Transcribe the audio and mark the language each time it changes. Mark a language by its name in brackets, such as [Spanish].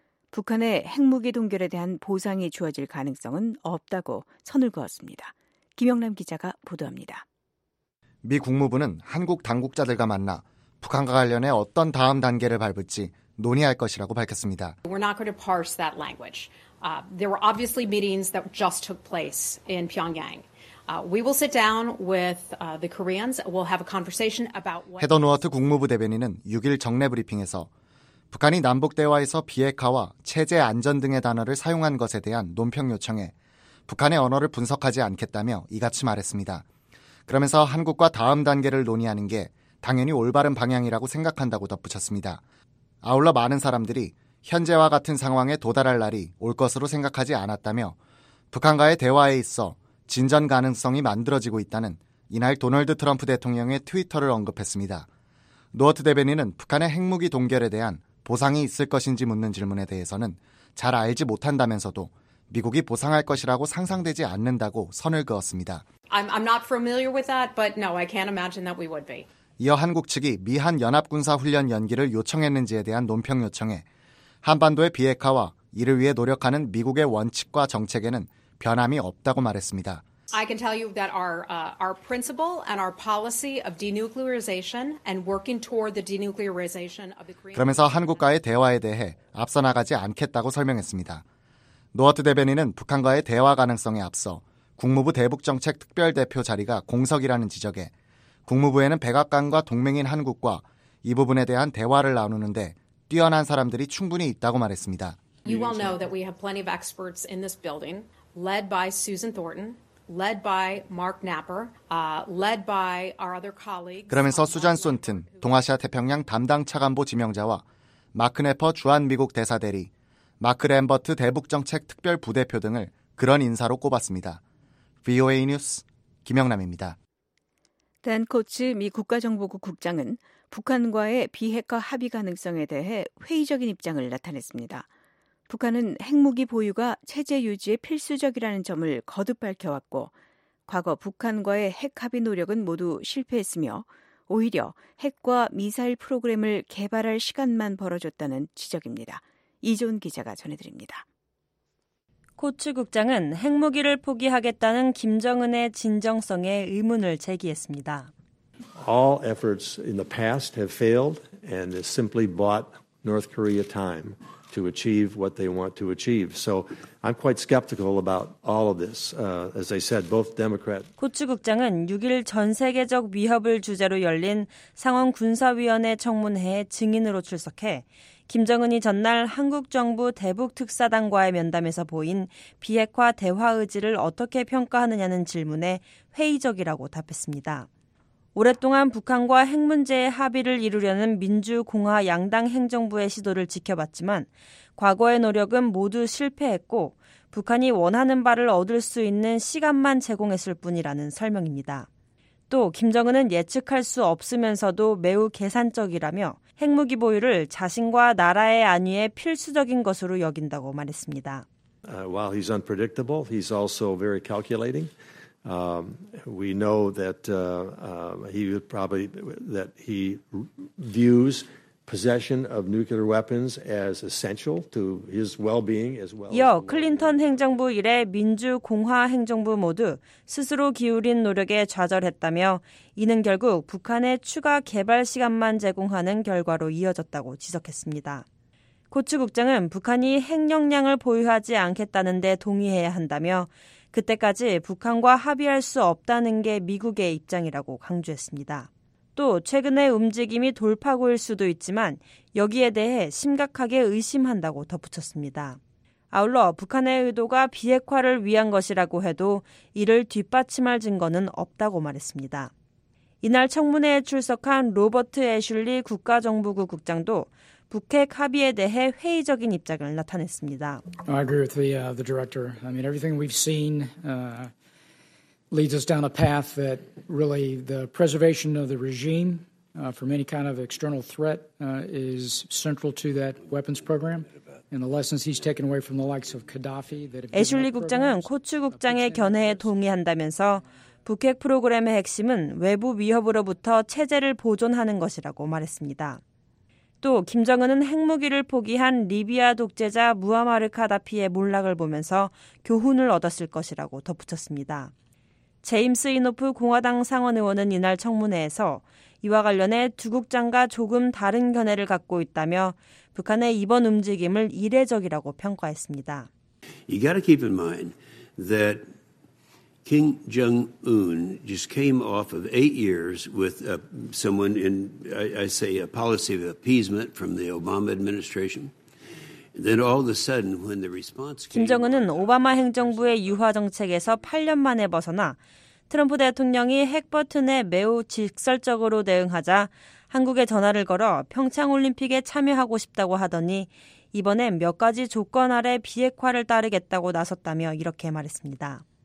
[Korean] 북한의 핵무기 동결에 대한 보상이 주어질 가능성은 없다고 선을 그었습니다. 김영남 기자가 보도합니다. 미 국무부는 한국 당국자들과 만나 북한과 관련해 어떤 다음 단계를 밟을지 논의할 것이라고 밝혔습니다. [English] We're not going to parse that language. There were obviously meetings that just took place in Pyongyang. We will sit down with the Koreans. We'll have a conversation about what. [Korean] 헤더 노어트 국무부 대변인은 6일 정례 브리핑에서 북한이 남북 대화에서 비핵화와 체제 안전 등의 단어를 사용한 것에 대한 논평 요청에 북한의 언어를 분석하지 않겠다며 이같이 말했습니다. 그러면서 한국과 다음 단계를 논의하는 게 당연히 올바른 방향이라고 생각한다고 덧붙였습니다. 아울러 많은 사람들이 현재와 같은 상황에 도달할 날이 올 것으로 생각하지 않았다며 북한과의 대화에 있어 진전 가능성이 만들어지고 있다는 이날 도널드 트럼프 대통령의 트위터를 언급했습니다. 노어트 대변인은 북한의 핵무기 동결에 대한 보상이 있을 것인지 묻는 질문에 대해서는 잘 알지 못한다면서도 미국이 보상할 것이라고 상상되지 않는다고 선을 그었습니다. [English] I'm not familiar with that, but no, I can't imagine that we would be. [Korean] 이어 한국 측이 미한 연합군사 훈련 연기를 요청했는지에 대한 논평 요청에 한반도의 비핵화와 이를 위해 노력하는 미국의 원칙과 정책에는 변함이 없다고 말했습니다. [English] I can tell you that our principle and our policy of denuclearization and working toward the denuclearization of the Korean. [Korean] 그러면서 한국과의 대화에 대해 앞서 나가지 않겠다고 설명했습니다. 노어트 대변인은 북한과의 대화 가능성에 앞서 국무부 대북정책특별대표 자리가 공석이라는 지적에 국무부에는 백악관과 동맹인 한국과 이 부분에 대한 대화를 나누는데 뛰어난 사람들이 충분히 있다고 말했습니다. [English] You all know that we have plenty of experts in this building, led by Susan Thornton, led by Mark Knapper, led by our other colleagues. [Korean] 그러면서 수잔 손튼, 동아시아 태평양 담당 차관보 지명자와 마크 네퍼 주한미국 대사대리, 마크 램버트 대북정책특별부대표 등을 그런 인사로 꼽았습니다. VOA 뉴스 김영남입니다. 댄 코츠 미 국가정보국 국장은 북한과의 비핵화 합의 가능성에 대해 회의적인 입장을 나타냈습니다. 북한은 핵무기 보유가 체제 유지에 필수적이라는 점을 거듭 밝혀왔고 과거 북한과의 핵 합의 노력은 모두 실패했으며 오히려 핵과 미사일 프로그램을 개발할 시간만 벌어줬다는 지적입니다. 이존 기자가 전해드립니다. 코츠 국장은 핵무기를 포기하겠다는 김정은의 진정성에 의문을 제기했습니다. [English] All efforts in the past have failed and it simply bought North Korea time to achieve what they want to achieve. So I'm quite skeptical about all of this. As I said, both Democrat. [Korean] 코츠 국장은 6일 전 세계적 위협을 주제로 열린 상원 군사위원회 청문회에 증인으로 출석해 김정은이 전날 한국 정부 대북특사단과의 면담에서 보인 비핵화 대화 의지를 어떻게 평가하느냐는 질문에 회의적이라고 답했습니다. 오랫동안 북한과 핵 문제의 합의를 이루려는 민주공화 양당 행정부의 시도를 지켜봤지만 과거의 노력은 모두 실패했고 북한이 원하는 바를 얻을 수 있는 시간만 제공했을 뿐이라는 설명입니다. 또 김정은은 예측할 수 없으면서도 매우 계산적이라며 핵무기 보유를 자신과 나라의 안위에 필수적인 것으로 여긴다고 말했습니다. [English] While he's unpredictable, he's also very calculating. We know that he would probably that he views possession of nuclear weapons as essential to his well-being as well. [Korean] 이어 클린턴 행정부 이래 민주 공화 행정부 모두 스스로 기울인 노력에 좌절했다며 이는 결국 북한의 추가 개발 시간만 제공하는 결과로 이어졌다고 지적했습니다. 코츠 국장은 북한이 핵 역량을 보유하지 않겠다는 데 동의해야 한다며 그때까지 북한과 합의할 수 없다는 게 미국의 입장이라고 강조했습니다. 또 최근의 움직임이 돌파구일 수도 있지만 여기에 대해 심각하게 의심한다고 덧붙였습니다. 아울러 북한의 의도가 비핵화를 위한 것이라고 해도 이를 뒷받침할 증거는 없다고 말했습니다. 이날 청문회에 출석한 로버트 애슐리 국가정보국 국장도 북핵 합의에 대해 회의적인 입장을 나타냈습니다. [English] I agree with the director. I mean, everything we've seen leads us down a path that really the preservation of the regime from any kind of external threat is central to that weapons program. And the lessons he's taken away from the likes of Gaddafi. [Korean] 애슐리 국장은 코츠 국장의 견해에 동의한다면서 북핵 프로그램의 핵심은 외부 위협으로부터 체제를 보존하는 것이라고 말했습니다. 또 김정은은 핵무기를 포기한 리비아 독재자 무아마르 카다피의 몰락을 보면서 교훈을 얻었을 것이라고 덧붙였습니다. 제임스 이노프 공화당 상원 의원은 이날 청문회에서 이와 관련해 두 국장과 조금 다른 견해를 갖고 있다며 북한의 이번 움직임을 이례적이라고 평가했습니다. [English] You got to keep in mind that Kim Jong-un just came off of 8 years with someone in, I say, a policy of appeasement from the Obama administration. Then all of a sudden, when the response came, [Korean] 김정은은 오바마 행정부의 유화 정책에서 8년 만에 벗어나 트럼프 대통령이 핵 버튼에 매우 직설적으로 대응하자 한국에 전화를 걸어 평창올림픽에 참여하고 싶다고 하더니 이번엔 몇 가지 조건 아래 비핵화를 따르겠다고 나섰다며 이렇게 말했습니다.